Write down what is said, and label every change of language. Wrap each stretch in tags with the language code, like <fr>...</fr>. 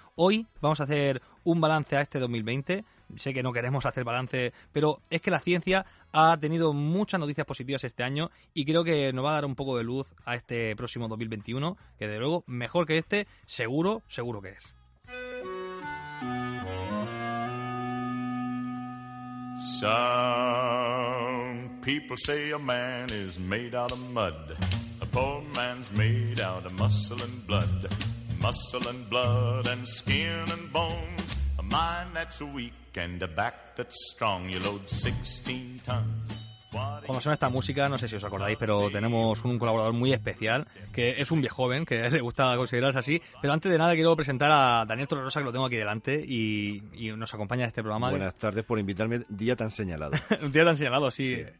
<es>Hoy vamos a hacer un balance a este 2020. Sé que no queremos hacer balance, pero es que la ciencia ha tenido muchas noticias positivas este año y creo que nos va a dar un poco de luz a este próximo 2021, que de luego, mejor que este, seguro que es.</es> <en>Some people say a man is made out of mud. A poor man's made out of muscle and blood. Muscle and blood and skin and bones. A mind that's weak and a back that's strong. You load 16 tons.</en> <es>Cuando suena esta música, no sé si os acordáis, pero tenemos un colaborador muy especial, que es un viejo joven, que le gusta considerarse así. Pero antes de nada quiero presentar a Daniel Torrerosa, que lo tengo aquí delante y nos acompaña en este programa. Buenas tardes por invitarme, día tan señalado. Un día tan señalado, sí.</es>